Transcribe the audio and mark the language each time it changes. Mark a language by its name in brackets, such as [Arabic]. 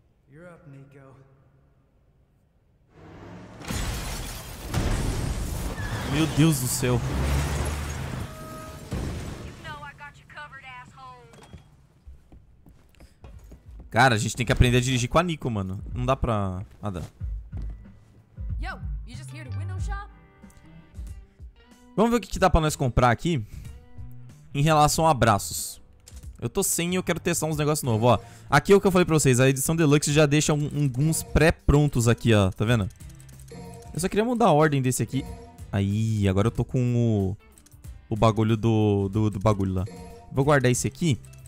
[English] You're up, Nico. [Portuguese] Meu Deus do céu. [English] You know I got you covered, asshole. [Portuguese] Cara, a gente tem que aprender a dirigir com a Nico, mano. Não dá pra... nada. [English] Yo, you just here to window shop? [Portuguese] Vamos ver o que, que dá pra nós comprar aqui. Em relação a braços. Eu tô sem e eu quero testar uns negócios novos, ó. Aqui é o que eu falei pra vocês. A edição Deluxe já deixa alguns pré-prontos aqui, ó. Tá vendo? Eu só queria mudar a ordem desse aqui. Aí, agora eu tô com o bagulho do bagulho lá. Vou guardar esse aqui.